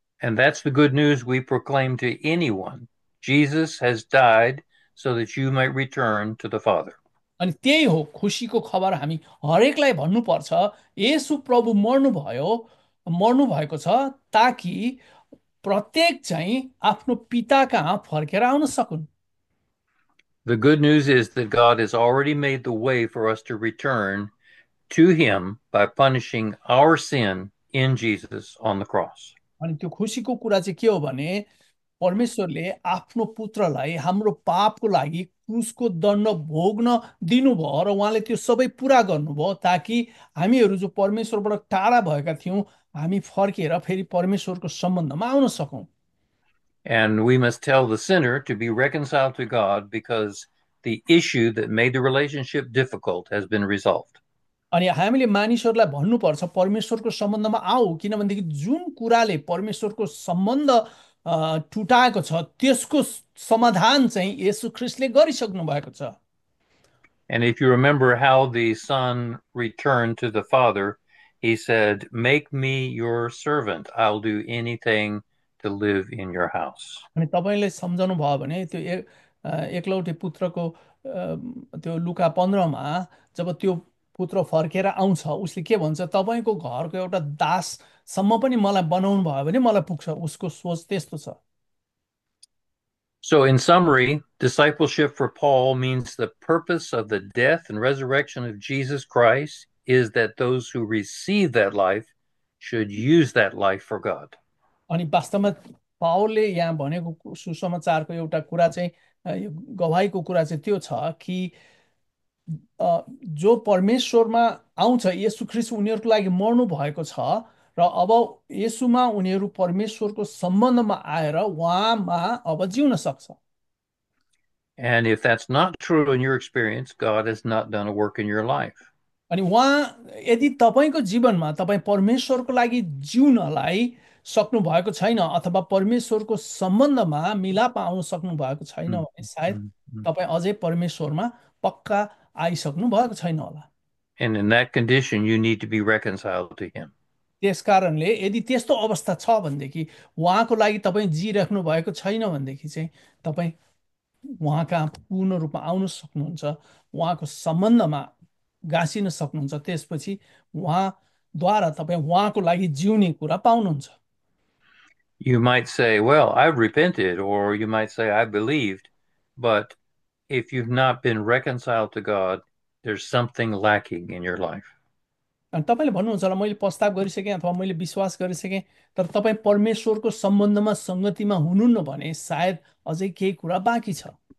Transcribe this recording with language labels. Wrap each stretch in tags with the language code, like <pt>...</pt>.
<en>And that's the good news we proclaim to anyone. Jesus has died so that you might return to the Father.</en> <ne>अनि त्यही हो खुसीको खबर, हामी हरेकलाई भन्नुपर्छ येशू प्रभु मर्नुभयो, मर्नु भएको छ ताकि प्रत्येक चाहिँ आफ्नो पिता कहाँ फर्केर आउन सकुन्।</ne> <en>The good news is that God has already made the way for us to return to Him by punishing our sin in Jesus on the cross.</en> <ne>अनि त्यो खुसीको कुरा चाहिँ के हो भने परमेश्वरले आफ्नो पुत्रलाई हाम्रो पापको लागि क्रुसको दण्ड भोग्न दिनुभयो र उहाँले त्यो सबै पुरा गर्नुभयो ताकि हामीहरू जो परमेश्वरबाट टाढा भएका थियौँ हामी फर्केर फेरि परमेश्वरको सम्बन्धमा आउन सकौँ।</ne> <en>And we must tell the sinner to be reconciled to God because the issue that made the relationship difficult has been resolved.</en> <ne>अनि हामीले मानिसहरूलाई भन्नुपर्छ परमेश्वरको सम्बन्धमा आऊ किनभनेदेखि जुन कुराले परमेश्वरको सम्बन्ध टुटाएको छ त्यसको समाधान चाहिँ येशू ख्रिस्टले गरिसक्नु भएको छ।</ne> <en>And if you remember how the son returned to the father, he said, "Make me your servant. I'll do anything to live in your house."</en> <ne>अनि तपाईँले सम्झनु भयो भने त्यो एकलौटे पुत्रको त्यो लुका 15 जब त्यो पुत्र फर्केर आउँछ उसले के भन्छ, तपाईँको घरको एउटा दाससम्म पनि मलाई बनाउनु भयो भने मलाई पुग्छ, उसको सोच त्यस्तो छ।</ne> <en>So in summary, discipleship for Paul means the purpose of the death and resurrection of Jesus Christ is that those who receive that life should use that life for God.</en> <ne>अनि वास्तवमा पाउलले यहाँ भनेको सुसमाचारको एउटा कुरा चाहिँ यो गवाहीको कुरा चाहिँ त्यो छ कि जो परमेश्वरमा आउँछ येशु ख्रिस्ट उनीहरूको लागि मर्नु भएको छ र अब येशुमा उनीहरू परमेश्वरको सम्बन्धमा आएर उहाँमा अब जिउन सक्छ।</ne> <en>And if that's not true in your experience, God has not done a work in your life.</en> <ne>अनि उहाँ यदि तपाईँको जीवनमा तपाईँ परमेश्वरको लागि जिउनलाई सक्नु भएको छैन अथवा परमेश्वरको सम्बन्धमा मिलाप आउन सक्नु भएको छैन भने सायद तपाईँ अझै परमेश्वरमा पक्का आइसक्नु भएको छैन होला।</ne> <en>And in that condition, you need to be reconciled to him.</en> <ne>त्यसकारणले यदि त्यस्तो अवस्था छ भनेदेखि उहाँको लागि तपाईँ जिइराख्नु भएको छैन भनेदेखि चाहिँ तपाईँ उहाँ कहाँ पूर्ण रूपमा आउन सक्नुहुन्छ, उहाँको सम्बन्धमा गाँसिन सक्नुहुन्छ, त्यसपछि उहाँद्वारा तपाईँ उहाँको लागि जिउने कुरा पाउनुहुन्छ।</ne> <en>You might say, well, I've repented, or you might say, I believed, but if you've not been reconciled to God, there's something lacking in your life.</en> <ne>अनि तपाईँले भन्नुहुन्छ होला मैले पश्चाताप गरिसकेँ अथवा मैले विश्वास गरिसकेँ तर तपाईँ परमेश्वरको सम्बन्धमा सङ्गतिमा हुनुहुन्न भने सायद अझै केही कुरा बाँकी छ।</ne>